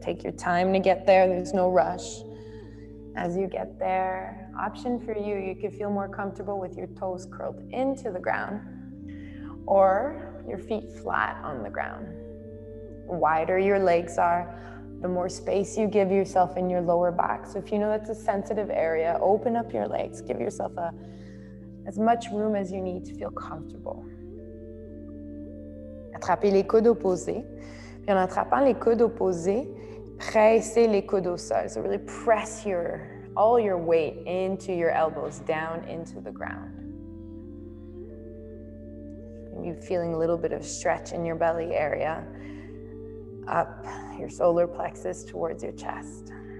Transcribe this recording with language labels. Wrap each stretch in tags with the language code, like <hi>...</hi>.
<en>Take your time to get there, there's no rush. As you get there, option for you, you can feel more comfortable with your toes curled into the ground or your feet flat on the ground. The wider your legs are, the more space you give yourself in your lower back. So if you know that's a sensitive area, open up your legs, give yourself as much room as you need to feel comfortable.</en> <fr>Attrapez les coudes opposés. Puis en attrapant les coudes opposés, pressez les coudes au sol.</fr> <en>So really press all your weight into your elbows, down into the ground. Maybe feeling a little bit of stretch in your belly area. Up your solar plexus towards your chest.</en>